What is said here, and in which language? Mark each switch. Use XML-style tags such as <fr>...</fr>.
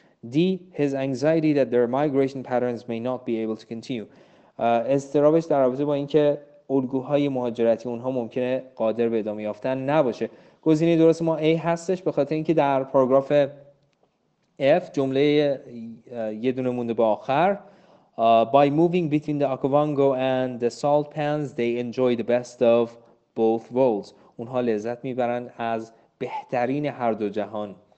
<en>D: his anxiety that their migration patterns may not be able to continue،</en> <fa>اضطرابش در رابطه با اینکه الگوهای مهاجرتی اونها ممکنه قادر به ادامه یافتن نباشه. گزینه درست ما A هستش به خاطر اینکه در پاراگراف F جمله یه دونه مونده به آخر.</fa> <en>By moving between the Okavango and the salt pans, they enjoy the best of both worlds.</en> <fa>اونها لذت میبرند از بهترین هر دو جهان.</fa>